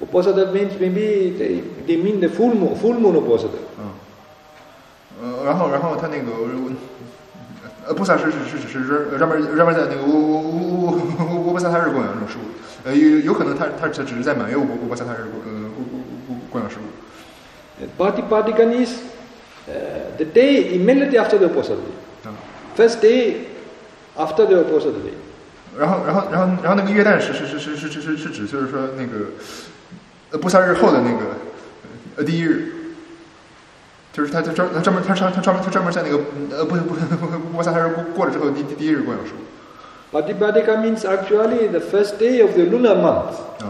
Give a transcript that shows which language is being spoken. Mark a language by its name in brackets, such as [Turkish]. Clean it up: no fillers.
[English] Upasada means maybe they mean the full moon upasada. [Chinese] 然后他那个菩萨是专门在那个乌巴萨塔日供养这种食物，有可能他只是在满月乌巴萨塔日供养食物。 [English] Patipatikan is the day immediately after the Upasada day. First day after the Upasada day. [Chinese] 然后那个月旦是指就是说那个菩萨日后的那个第一日。就是他专门在那个菩萨日过了之后第一日供养食物。 [English] Patipatika means actually the first day of the lunar month.